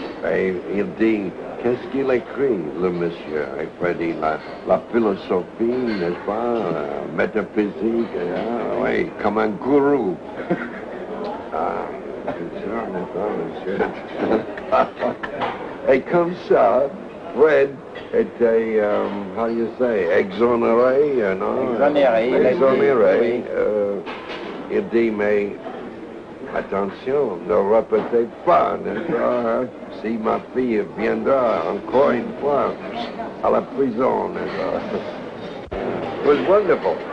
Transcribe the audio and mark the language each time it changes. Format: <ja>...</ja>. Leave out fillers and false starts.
<fr>Et il dit, qu'est-ce qu'il écrit, le monsieur? Il prédit la philosophie, n'est-ce pas? La métaphysique, oui, comme un gourou. Ah, c'est ça, n'est-ce pas, monsieur? Et comme ça,</fr> <en>Fred, it's a, how do you say, exonere, you know?</en> <fr>Exonere. Il dit, mais attention, ne répétez pas, n'est-ce pas? Si ma fille viendra encore une fois à la prison, n'est-ce pas?</fr> <en>It was wonderful.</en>